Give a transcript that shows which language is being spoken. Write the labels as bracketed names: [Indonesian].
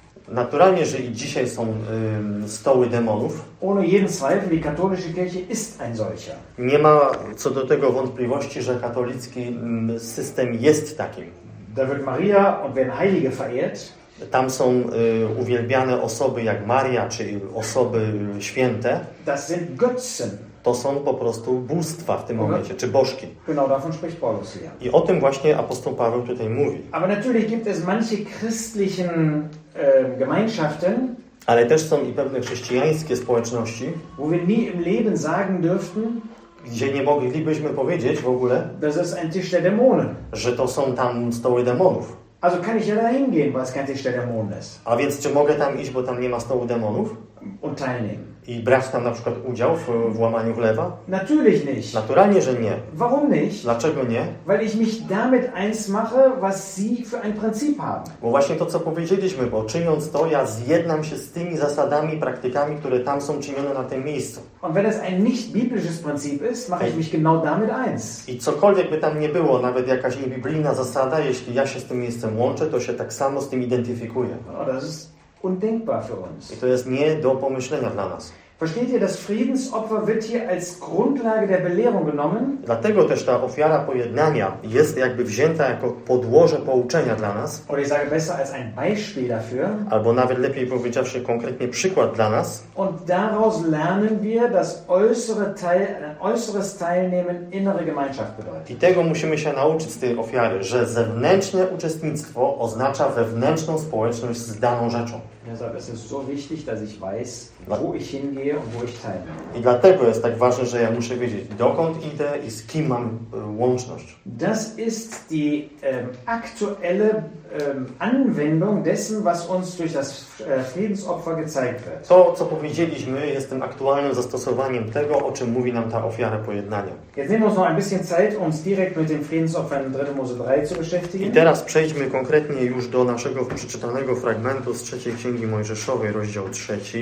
[Polish] Naturalnie, że i dzisiaj są stoły demonów. [German] Ohne jeden Zweifel, die katholische Kirche ist ein solcher. [Polish] Nie ma co do tego wątpliwości, że katolicki system jest takim. [German] Da wird Maria und werden Heilige verehrt. [Polish] Tam są uwielbiane osoby jak Maria, czy osoby święte. [German] Das sind Götzen. [Polish] To są po prostu bóstwa w tym momencie, czy bożki. [German] Genau, davon spricht Paulus hier. [Polish] I o tym właśnie apostoł Paweł tutaj mówi. [German] Aber natürlich gibt es manche christlichen Gemeinschaften. [Polish] Ale też są i pewne chrześcijańskie społeczności, [German] wo wir nie im Leben sagen dürften, [Polish] gdzie nie moglibyśmy powiedzieć w ogóle, [German] das ist ein Tisch der Dämonen, [Polish] że to są tam stoły demonów. [German] Also kann ich ja da hingehen, weil es kein Tisch der Dämonen ist. [Polish] A więc czy mogę tam iść, bo tam nie ma stołu demonów? [German] Und teilnehmen. [Polish] I brać tam na przykład udział w łamaniu chleba? [German] Natürlich nicht. [Polish] Naturalnie, że nie. [German] Warum nicht? [Polish] Dlaczego nie? [German] Weil ich mich damit eins mache, was sie für ein Prinzip haben. [Polish] Bo właśnie to, co powiedzieliśmy, bo czyniąc to, ja zjednam się z tymi zasadami, praktykami, które tam są czynione na tym miejscu. [German] Und wenn es ein nicht biblisches Prinzip ist, mache ich mich genau damit eins. [Polish] I cokolwiek by tam nie było, nawet jakaś niebiblijna zasada, jeśli ja się z tym miejscem łączę, to się tak samo z tym identyfikuję. [German] Undenkbar für uns. [Polish] I to jest nie do pomyślenia dla nas. [German] Versteht ihr, das Friedensopfer wird hier als Grundlage der Belehrung genommen? [Polish] Dlatego też ta ofiara pojednania jest jakby wzięta jako podłoże pouczenia dla nas. [German] Oder ich sage besser als ein Beispiel dafür. [Polish] Albo nawet lepiej powiedziawszy konkretnie przykład dla nas. [German] Und daraus lernen wir, dass äußeres Teilnehmen innere Gemeinschaft bedeutet. [Polish] I tego musimy się nauczyć z tej ofiary, że zewnętrzne uczestnictwo oznacza wewnętrzną społeczność z daną rzeczą. [German] Es ist so wichtig, dass ich weiß, wo ich hingehe und wo ich teilnehme. [Polish] I dlatego jest tak ważne, że ja muszę wiedzieć, dokąd idę i z kim mam łączność. [German] Das ist die aktuelle Anwendung dessen, was uns durch das Friedensopfer gezeigt wird. [Polish] To, co powiedzieliśmy, jest tym aktualnym zastosowaniem tego, o czym mówi nam ta ofiara pojednania. [German] Jetzt nehmen wir uns noch ein bisschen Zeit, uns direkt mit dem Friedensopfer in 3. Mose 3 zu beschäftigen. [Polish] I teraz przejdźmy konkretnie już do naszego przeczytanego fragmentu z trzeciej Księgi Mojżeszowej, rozdział 3.